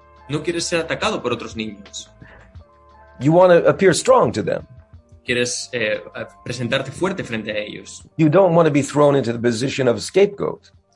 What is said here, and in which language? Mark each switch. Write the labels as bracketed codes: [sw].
[es] No quieres ser atacado por otros niños. [en] You want to appear strong to them. [es] Quieres presentarte fuerte frente a ellos. [en] You don't want to be thrown into the position of a scapegoat.